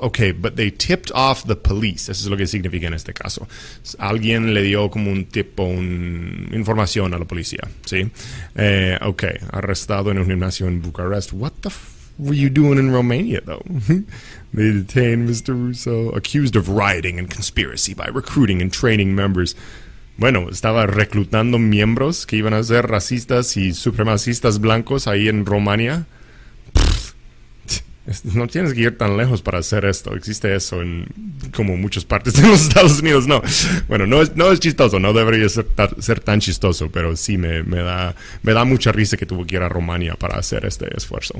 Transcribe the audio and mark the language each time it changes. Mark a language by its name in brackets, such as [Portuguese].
[English] Okay, but they tipped off the police. [Spanish] Eso es lo que significa en este caso. Alguien le dio como un tipo, una información a la policía. ¿Sí? Okay, arrestado en un gimnasio en Bucarest. [English] What the were you doing in Romania, though? They detained Mr. Russo. Accused of rioting and conspiracy by recruiting and training members. [Spanish] Bueno, estaba reclutando miembros que iban a ser racistas y supremacistas blancos ahí en Romania. No tienes que ir tan lejos para hacer esto. Existe eso en como muchas partes de los Estados Unidos. No, bueno, no es chistoso. No debería ser tan chistoso, pero sí me da mucha risa que tuvo que ir a Romania para hacer este esfuerzo.